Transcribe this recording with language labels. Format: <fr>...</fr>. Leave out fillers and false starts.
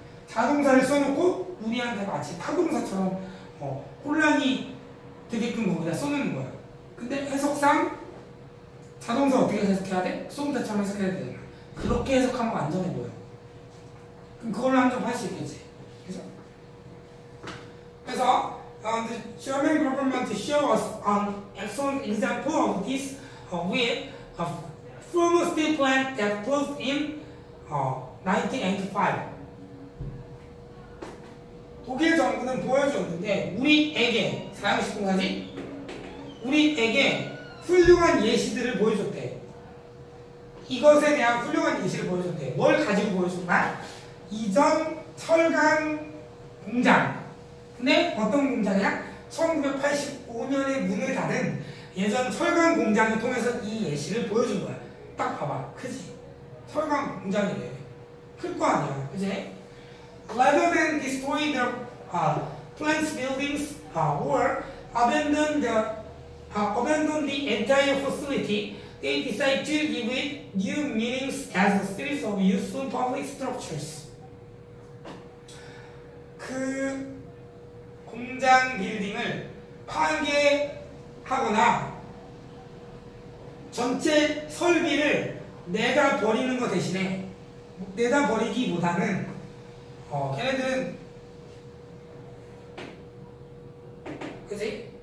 <ko>자동사를 써놓고 우리한테 마치 타동사처럼 혼란이 되게끔 거기다 써놓는 거야. 근데 해석상 자동사 어떻게 해석해야 돼? 소음자처럼 해석해야 되잖아. 그렇게 해석하면 완전해 보여. 그럼 그걸로 한정 할 수 있겠지. 그래서</ko> <en>the German government show us an excellent example of this with a former steel plant that closed in 1985.</en> <ko>독일 정부는 보여줬는데 우리에게 사용시킨 거지? 우리에게 훌륭한 예시들을 보여줬대. 이것에 대한 훌륭한 예시를 보여줬대. 뭘 가지고 보여줬나? 이전 철강 공장. 근데 어떤 공장이야? 1985년에 문을 닫은 예전 철강 공장을 통해서 이 예시를 보여준 거야. 딱 봐봐. 크지? 철강 공장이래. 클 거 아니야. 그치?</ko> <en>Rather than destroy the plant's buildings or abandon the entire facility, they decide to give it new meanings as a series of useful public structures.</en> <ko>그 공장 빌딩을 파괴하거나 전체 설비를 내다 버리는 것 대신에 내다 버리기보다는 걔네들은 그치?</ko>